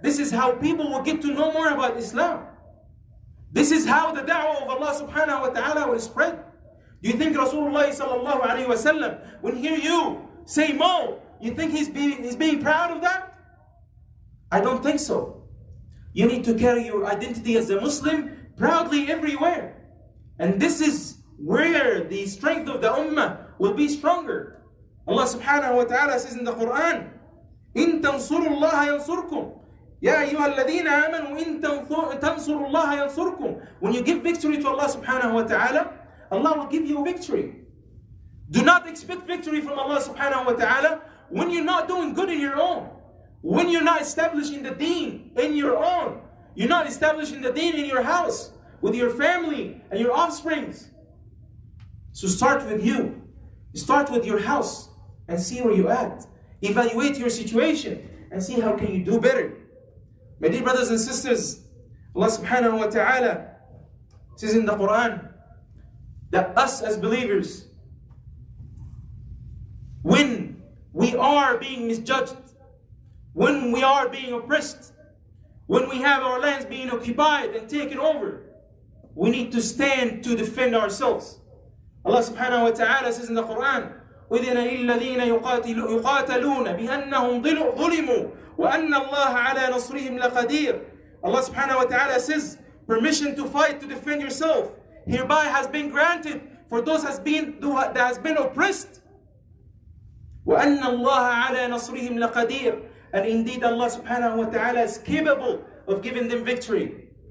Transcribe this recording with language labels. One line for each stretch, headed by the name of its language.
English: This is how people will get to know more about Islam. This is how the da'wah of Allah subhanahu wa ta'ala will spread. Do you think Rasulullah sallallahu alayhi wa sallam, when hear you say mo, You think he's being proud of that? I don't think so. You need to carry your identity as a Muslim proudly everywhere. And this is where the strength of the ummah will be stronger. Allah subhanahu wa ta'ala says in the Quran,
Arabic: إِن تَنْصُرُوا اللَّهَ يَنْصُرْكُمْ يَا أَيُّهَا الَّذِينَ آمَنُوا إِن تَنْصُرُوا اللَّهَ يَنْصُرْكُمْ.
English: When you give victory to Allah subhanahu wa ta'ala, Allah will give you victory. Do not expect victory from Allah subhanahu wa ta'ala when you're not doing good in your own. When you're not establishing the deen in your own. You're not establishing the deen in your house with your family and your offsprings. So start with you. Start with your house and see where you at. Evaluate your situation and see how can you do better. My dear brothers and sisters, Allah subhanahu wa ta'ala says in the Quran that us as believers, when we are being misjudged, when we are being oppressed, when we have our lands being occupied and taken over, we need to stand to defend ourselves. Allah subhanahu wa ta'ala says in the Quran,
Arabic: وَإِذِنَ لِلَّذِينَ يُقَاتَلُونَ بِأَنَّهُمْ ظُلِمُوا وَأَنَّ اللَّهَ عَلَى نَصْرِهِمْ لَقَدِيرٌ.
English: Allah subhanahu wa ta'ala says, permission to fight, to defend yourself, hereby has been granted for those that has been oppressed.
Arabic: وَأَنَّ اللَّهَ عَلَى نَصْرِهِمْ لَقَدِيرٌ.
English: And indeed Allah subhanahu wa ta'ala is capable of giving them victory.